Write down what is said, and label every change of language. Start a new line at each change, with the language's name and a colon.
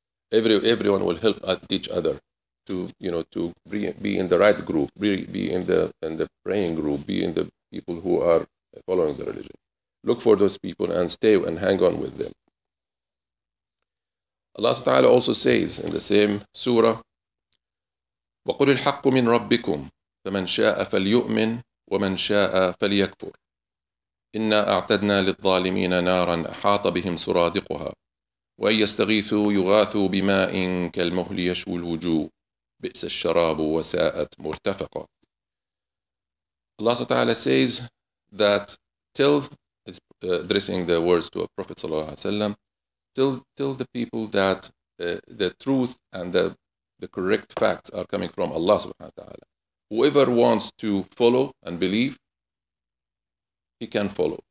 English: Everyone will help each other to, you know, to be in the right group, be in the praying group, be in the people who are following the religion. Look for those people and stay and hang on with them. Allah Ta'ala also says in the same surah,
Arabic: وقل الحق من ربكم فمن شاء فليؤمن ومن شاء فليكفر إنا أعتدنا للظالمين نارا أحاط بهم سرادقها وإن يستغيثوا يغاثوا بماء كالمهل يشوي الوجوه بئس الشراب وساءت مرتفقا.
English: Allah subhanahu wa ta'ala says that till, addressing the words to a Prophet sallallahu alaihi wasallam, till the people that the truth and the correct facts are coming from Allah subhanahu wa ta'ala, whoever wants to follow and believe, he can follow.